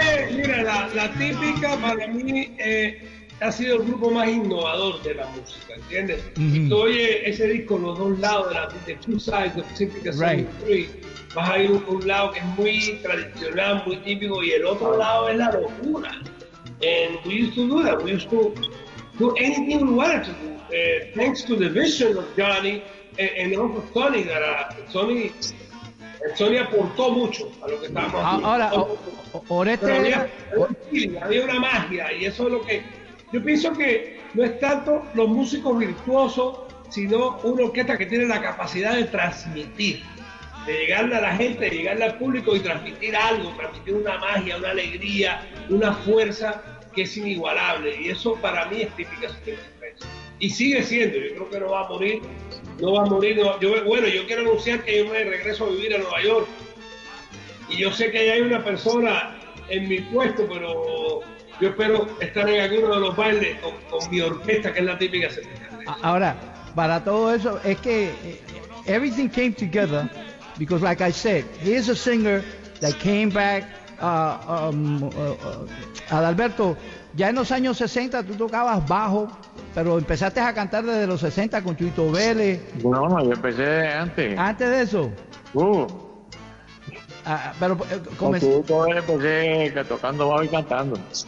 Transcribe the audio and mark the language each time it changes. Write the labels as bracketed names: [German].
[Spanish] Mira, la típica para mí ha sido el grupo más innovador de la música, ¿entiendes? Mm-hmm. Si tú oyes ese disco, los dos lados, de Two Sides, de Pacifica, vas a ir un lado que es muy tradicional, muy típico, y el otro lado es la locura. [English] And we used to do that, we used to do anything we wanted to do. Thanks to the vision of Johnny and also Sonny, [Spanish] Sony aportó mucho a lo que estábamos haciendo. Ahora, había una magia, y eso es lo que yo pienso, que no es tanto los músicos virtuosos, sino una orquesta que tiene la capacidad de transmitir, de llegarle a la gente, de llegarle al público y transmitir algo, transmitir una magia, una alegría, una fuerza que es inigualable, y eso para mí es típica de la empresa. Y sigue siendo, yo creo que no va a morir. No va a morir, no. Yo quiero anunciar que yo me regreso a vivir a Nueva York. Y yo sé que ya hay una persona en mi puesto, pero yo espero estar en alguno de los bailes con mi orquesta, que es la típica. Ahora, para todo eso, es que [English] everything came together, because like I said, he is a singer that came back. [Spanish] Adalberto, ya en los años 60 tú tocabas bajo, pero empezaste a cantar desde los 60 con Chuito Vélez. No, yo empecé antes. ¿Antes de eso? Pero comencé. Con Chuito Vélez empecé tocando bajo y cantando.